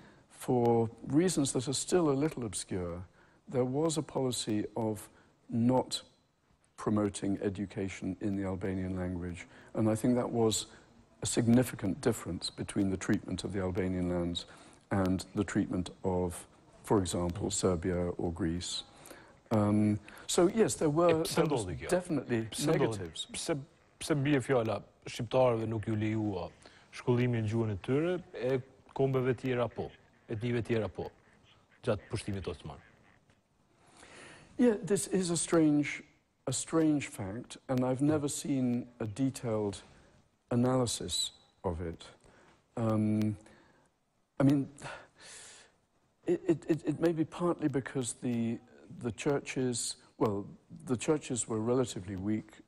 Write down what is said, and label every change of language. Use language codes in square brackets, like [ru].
[en] For reasons that are still a little obscure, there was a policy of not promoting education in the Albanian language, and I think that was a significant difference between the treatment of the Albanian lands and the treatment of, for example, Serbia or Greece. So yes, there were definitely negatives. [sq] Pse bie fjala shqiptarëve nuk ju lejua shkollimin në gjuhën e tyre e kombeve tjera po, etnive tjera po, gjatë pushtimit otoman? [en] Yeah, this is a strange fact, and I've never seen a detailed analysis of it. I mean, it may be partly because the churches were relatively weak.